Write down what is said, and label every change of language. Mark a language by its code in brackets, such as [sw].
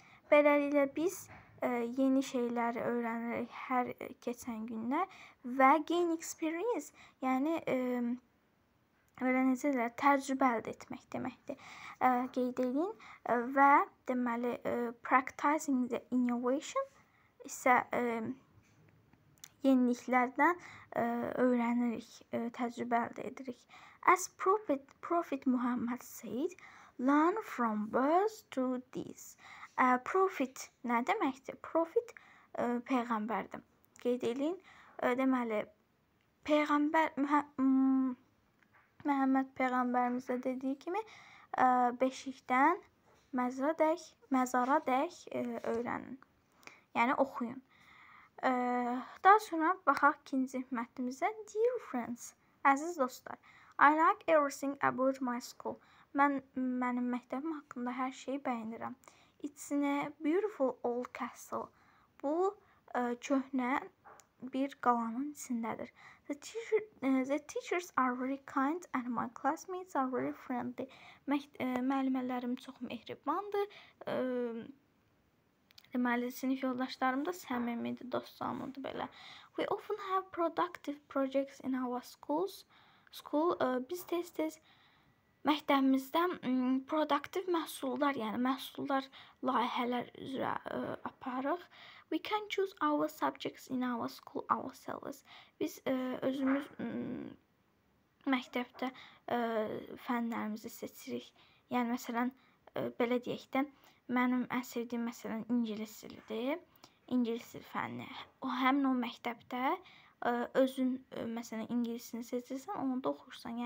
[az] Beləliklə, biz yeni şeyləri öyrənirik hər keçən günlə və gain experience, yəni öyrənəcəklər təcrübə əldə etmək deməkdir. Qeyd edin və deməli [en] practicing the innovation [az] isə yeniliklərdən öyrənirik, təcrübə əldə edirik. [en] As Prophet Muhammad said, learn from birth to this. [az] Prophet nə deməkdir? Prophet peyğəmbərdir. Qeyd edin. Deməli, peyğəmbər Məhəmməd peyğəmbərimizə dediyi kimi beşikdən məzara dək öyrənin. Yəni oxuyun. Daha sonra baxaq ikinci mətnimizə. [en] Dear friends, [az] əziz dostlar, [en] I like everything about my school. [az] Mənim məktəbim haqqında hər şeyi bəyənirəm. [en] It's in a beautiful old castle. [az] Bu, köhnə bir qalanın içindədir. [en] The teachers are very kind and my classmates are very friendly. [az] Müəllimlərim çox mehribandır. Deməli, sinif yoldaşlarım da səmimidir, dostlarımdır belə. [en] We often have productive projects in our schools. [az] Biz tez-tez məktəbimizdə produktiv məhsullar, yəni məhsullar, layihələr üzrə aparıq. [en] We can choose our subjects in our school ourselves. [az] Biz özümüz məktəbdə fənlərimizi seçirik. Yəni, məsələn, belə deyək də, mənim ən sevdiyim, məsələn, ingilis dilidir. İngilis dil fənni. O, həmin o məktəbdə özün, məsələn, ingilisini seçirsən, onu da oxursan.